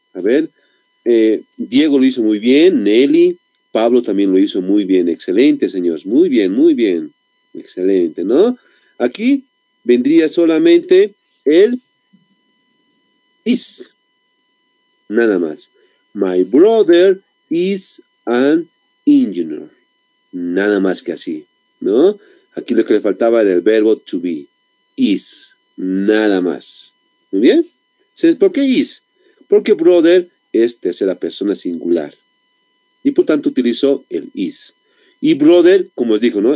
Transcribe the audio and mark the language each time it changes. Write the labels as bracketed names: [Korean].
[Spanish] A ver, Diego lo hizo muy bien, Nelly, Pablo también lo hizo muy bien. Excelente, señores. Muy bien, muy bien. Excelente, ¿no? Aquí vendría solamente el is. Nada más. [English] My brother is an engineer. [Spanish] Nada más que así, ¿no? Aquí lo que le faltaba era el verbo to be. Is. Nada más. ¿Muy bien? ¿Por qué is? Porque brother es tercera persona singular. Y por tanto utilizó el is. Y brother, como os digo, ¿no?